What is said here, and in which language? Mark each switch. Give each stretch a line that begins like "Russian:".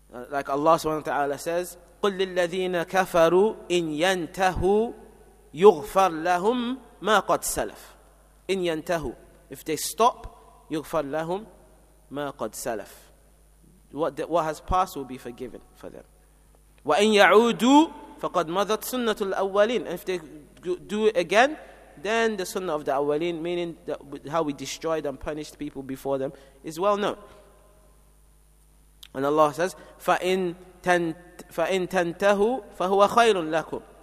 English: Like Allah subhanahu wa ta'ala says,
Arabic: قُلْ لِلَّذِينَ كَفَرُوا إِنْ يَنْتَهُوا يُغْفَرْ لَهُمْ مَا قَدْ سَلَفْ. إِنْ يَنْتَهُوا.
English: If they stop,
Arabic: يُغْفَرْ لَهُمْ مَا قَدْ سَلَفْ.
English: What has passed will be forgiven for them.
Arabic: وَإِنْ يَعُودُوا فَقَدْ مَضَتْ سُنَّةُ الْأَوَّلِينَ.
English: And if they do it again, then the sunnah of the awwaleen, meaning how we destroyed and punished people before them, is well known. And Allah says,
Arabic: فَإِنْ تَنْتَهُوا فَهُوَ خَيْرٌ لَكُمْ.